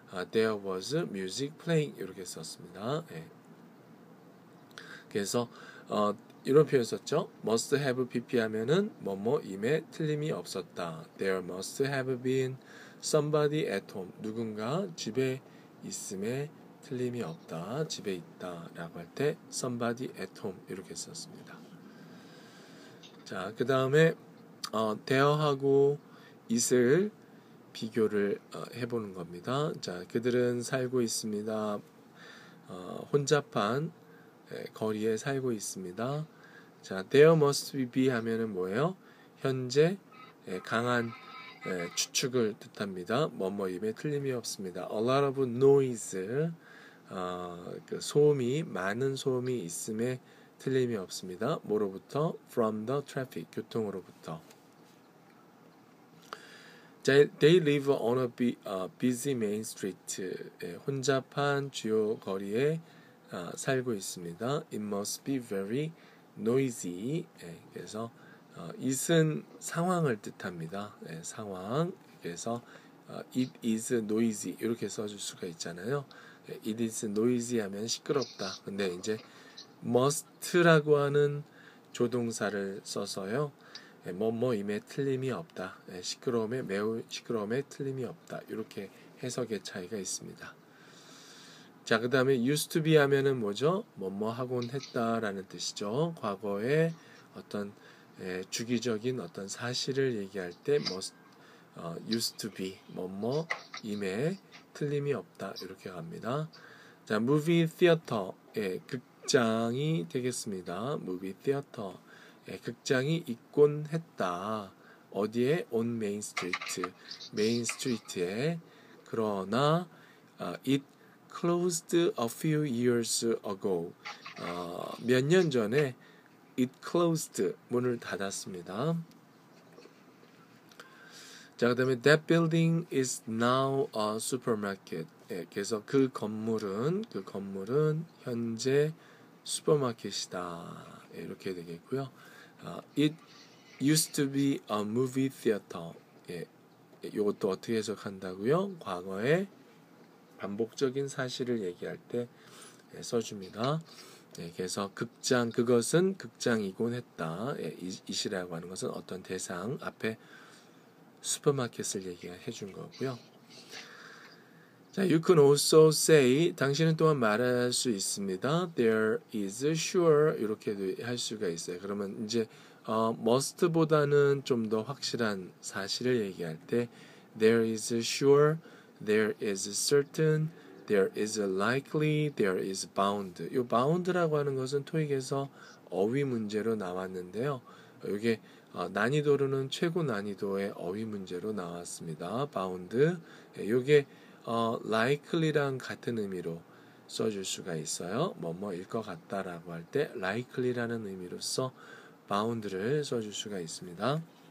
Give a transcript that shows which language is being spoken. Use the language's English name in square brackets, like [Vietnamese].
[English] There was music playing [Korean] 이렇게 썼습니다. 예. 그래서 이런 표현 썼죠. Must have pp 하면은 뭐뭐 임에 틀림이 없었다. [English] There must have been somebody at home. [Korean] 누군가 집에 있음에 틀림이 없다. 집에 있다 라고 할 때 somebody at home 이렇게 썼습니다. 자, 그 다음에 대어하고 있을 비교를 해보는 겁니다. 자, 그들은 살고 있습니다. 혼잡한 거리에 살고 있습니다. 자, there must be 하면은 뭐예요? 현재 강한 추측을 뜻합니다. 뭐뭐임에 틀림이 없습니다. [English] A lot of noise, [Korean] 그 소음이, 많은 소음이 있음에 틀림이 없습니다. 뭐로부터? [English] From the traffic, [Korean] 교통으로부터. [English] 자, they live on a busy main street. [Korean] 예, 혼잡한 주요 거리에 살고 있습니다. [English] It must be very noisy. [Korean] 예, 그래서 it은 상황을 뜻합니다. 예, 상황. 그래서 [English] it is noisy [Korean] 이렇게 써줄 수가 있잖아요. [English] It is noisy [Korean] 하면 시끄럽다. 근데 이제 must라고 하는 조동사를 써서요. 예, 뭐뭐임에 틀림이 없다. 예, 시끄러움에, 매우 시끄러움에 틀림이 없다. 이렇게 해석의 차이가 있습니다. 자, 그 다음에 used to be 하면은 뭐죠? 뭐뭐 하곤 했다라는 뜻이죠. 과거에 어떤 예, 주기적인 어떤 사실을 얘기할 때 [English] used to be, [Korean] 뭐뭐임에 틀림이 없다 이렇게 갑니다. 자, movie theater, 예, 극장이 되겠습니다. movie theater, 예, 극장이 있곤 했다. 어디에? [English] on main street, [Korean] main street에. 그러나 [English] it closed a few years ago. [Korean] 몇 년 전에 it closed, 문을 닫았습니다. 자, 그 다음에 [English] that building is now a supermarket. [Korean] 예, 그래서 그 건물은 현재 슈퍼마켓이다. 예, 이렇게 되겠고요. [English] It used to be a movie theater. [Korean] 예, 이것도 어떻게 해석한다고요? 과거에 반복적인 사실을 얘기할 때 예, 써줍니다. 예, 그래서 극장, 그것은 극장이곤 했다. 예, it이라고 하는 것은 어떤 대상 앞에 슈퍼마켓을 얘기해 준 거고요. [English] 자, you can also say, [Korean] 당신은 또한 말할 수 있습니다. [English] There is sure, [Korean] 이렇게도 할 수가 있어요. 그러면 이제 must보다는 좀 더 확실한 사실을 얘기할 때 [English] there is sure, there is certain, there is likely, there is bound. [Korean] 이 bound라고 하는 것은 토익에서 어휘 문제로 나왔는데요. 이게 난이도로는 최고 난이도의 어휘 문제로 나왔습니다. bound. 이게 likely랑 같은 의미로 써줄 수가 있어요. 뭐뭐일 것 같다라고 할 때 likely라는 의미로써 bound를 써줄 수가 있습니다.